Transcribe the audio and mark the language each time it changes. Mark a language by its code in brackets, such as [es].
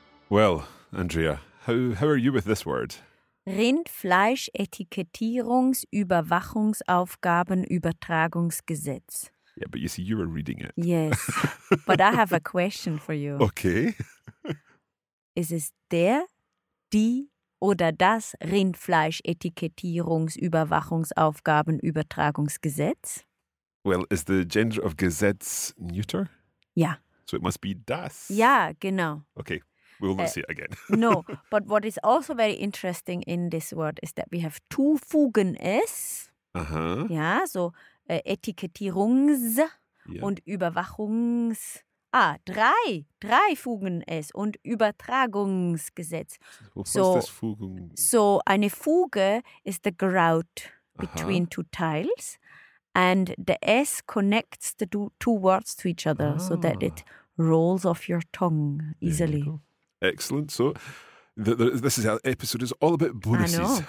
[en] Well, Andrea, how are you with this word? [de] Rindfleischetikettierungsüberwachungsaufgabenübertragungsgesetz. [en] Yeah, but you see, you were reading it. Yes, but I have a question for you. Okay. [de] Ist es der, die oder das Rindfleischetikettierungsüberwachungsaufgabenübertragungsgesetz? [en] Well, is the gender of Gesetz neuter? Yeah. So it must be das. Yeah, [de] genau. [en] Okay. We will not see it again. No, but what is also very interesting in this word is that we have two Fugen S. Uh-huh. [de] Ja, so Etikettierungs und Überwachungs. Ah, drei Fugen S und Übertragungsgesetz. So, was ist das Fugen? So eine Fuge [en] is the grout between two tiles, and the S connects the two words to each other so that it rolls off your tongue easily. There you go. Excellent. So this is our episode is all about bonuses.